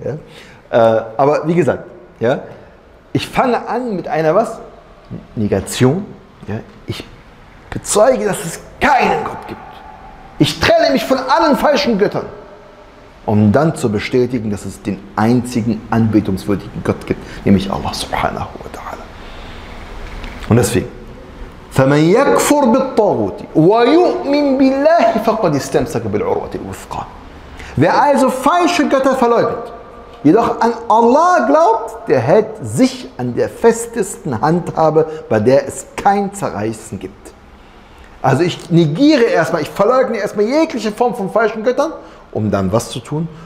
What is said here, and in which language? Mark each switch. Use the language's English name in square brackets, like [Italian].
[German] Ja. Aber wie gesagt, ja, ich fange an mit einer was? Negation. Ja. Ich bezeuge, dass es keinen Gott gibt. Ich trenne mich von allen falschen Göttern, um dann zu bestätigen, dass es den einzigen anbetungswürdigen Gott gibt, nämlich Allah subhanahu wa ta'ala. Und deswegen, [Arabic] فَمَنْ يَكْفُرْ بِالطَّغُوتِ وَيُؤْمِنْ بِاللَّهِ فَقَدْ إِسْتَمْسَكَ بِالْعُرْوَةِ الْوُثْقَى. [German] Wer also falsche Götter verleugnet, jedoch an Allah glaubt, der hält sich an der festesten Handhabe, bei der es kein Zerreißen gibt. Also ich negiere erstmal, ich verleugne erstmal jegliche Form von falschen Göttern, um dann was zu tun?